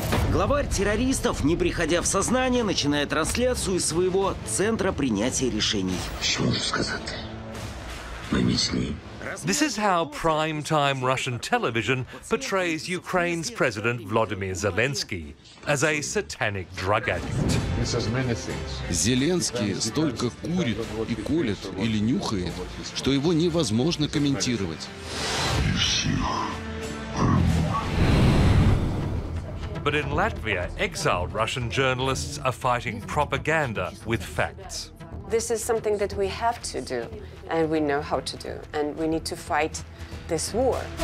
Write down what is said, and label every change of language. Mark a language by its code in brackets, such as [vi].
[ru] Главарь террористов, не приходя в сознание, начинает трансляцию из своего центра принятия решений. Что можно сказать? Мы не с ней. [en] This is how primetime Russian television portrays Ukraine's president Vladimir Zelensky as a satanic drug addict. [ru] Зеленский столько курит и колет или нюхает, что его невозможно комментировать. [en] But in Latvia, exiled Russian journalists are fighting propaganda with facts. This is something that we have to do, and we know how to do, and we need to fight this war.